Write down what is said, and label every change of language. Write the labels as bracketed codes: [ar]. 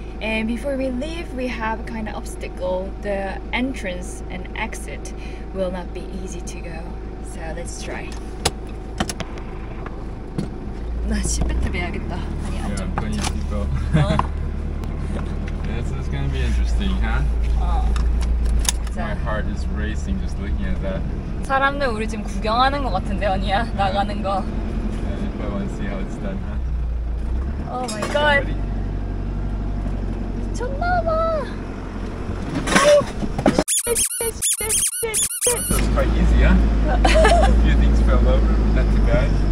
[en] And before we leave, we have a kind of obstacle. The entrance and exit will not be easy to go. So let's try. Yes, it's gonna be interesting, huh? My heart is racing just looking at that. [ko] 사람들 우리 지금 구경하는 것 같은데 언니야 나가는 거. [en] Yeah, I want to see how it's done, huh? Oh my god. [ko] 미쳤나 봐. [en] That's quite easy, huh? A few things fell over, but not too bad.